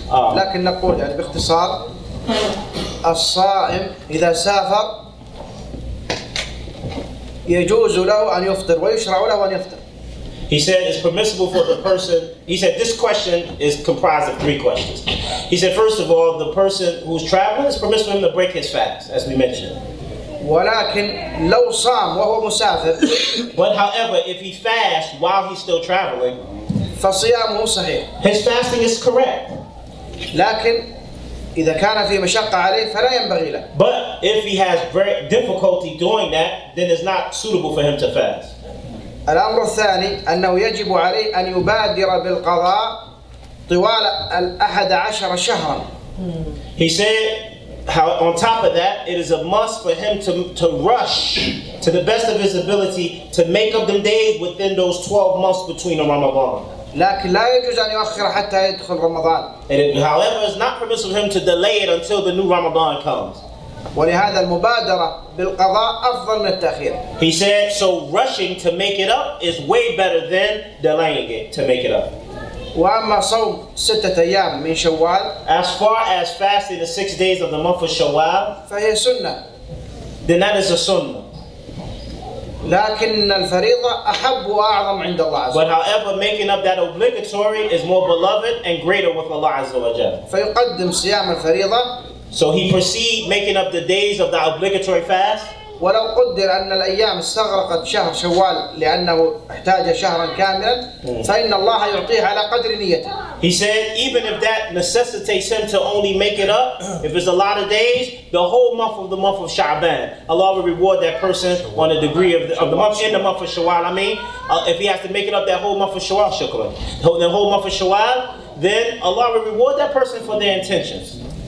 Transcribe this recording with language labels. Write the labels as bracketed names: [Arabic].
[Arabic] لكن نقول يعني باختصار الصائم إذا سافر يجوز له أن يفطر ويشرع له أن يفطر. [English] He said it's permissible for the person. He said this question is comprised of three questions. He said first of all, the person who's traveling is permissible for him to break his fast, as we mentioned. [Arabic] ولكن لو صام وهو مسافر. [English] But however, if he fasts while he's still traveling. [Arabic] فصيامه صحيح. [English] His fasting is correct. [Arabic] لكن إذا كان في مشقة عليه فلا ينبغي له. [English] But if he has very difficulty doing that, then it's not suitable for him to fast. [Arabic] الأمر الثاني أنه يجب عليه أن يبادر بالقضاء طوال الأحد عشر شهرا. [English] He said, how, on top of that, it is a must for him to rush to the best of his ability to make up them days within those 12 months between the Ramadan. [Arabic] لكن لا يجوز أن يؤخر حتى يدخل رمضان. [English] However, it's not permissible for him to delay it until the new Ramadan comes. [Arabic] ولهذا المبادرة بالقضاء أفضل من التأخير. [English] He said, so rushing to make it up is way better than delaying it to make it up. [Arabic] وأما صوم ستة أيام من شوال. [English] As far as fasting the 6 days of the month of Shawwal. [Arabic] فهي سنة. [English] Then that is a sunnah. [Arabic] لكن الفريضة أحب وأعظم عند الله عز وجل. [English] But however, making up that obligatory is more beloved and greater with Allah [Arabic] عز وجل. فيقدم صيام الفريضة. [English] So he proceed making up the days of the obligatory fast. [Arabic] ولو قدر أن الأيام استغرقت شهر شوال لأنه احتاج شهرا كاملا فإن الله يعطيه على قدر نيته. [English] He said even if that necessitates him to only make it up, if it's a lot of days, the whole month of the month of Sha'ban, Allah will reward that person on a degree of the month, in the month of Shawwal. I mean, if he has to make it up that whole month of Shawwal, shukran, the whole month of Shawwal, then Allah will reward that person for their intentions.